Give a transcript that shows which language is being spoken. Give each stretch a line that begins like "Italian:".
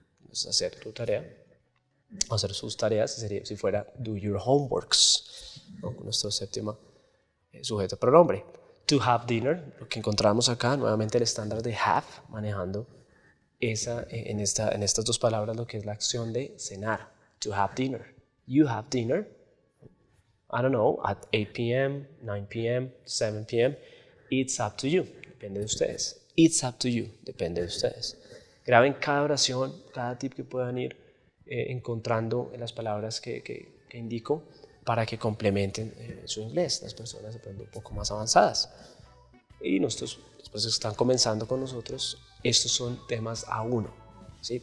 Spanish: Entonces, hacer tu tarea, hacer sus tareas, sería, si fuera
English: do your homeworks,
Spanish: ¿no? Nuestro séptimo sujeto pronombre.
English: To have dinner,
Spanish: lo que encontramos acá, nuevamente el estándar de have, manejando en estas dos palabras lo que es la acción de cenar.
English: To have dinner. You have dinner, I don't know, at 8 p.m., 9 p.m., 7 p.m., it's up to you,
Spanish: depende de ustedes.
English: It's up to you,
Spanish: depende de ustedes. Graben cada oración, cada tip que puedan ir encontrando en las palabras que indico, para que complementen su inglés, las personas aprendan un poco más avanzadas. Y nosotros, después que están comenzando con nosotros, estos son temas a uno, ¿sí?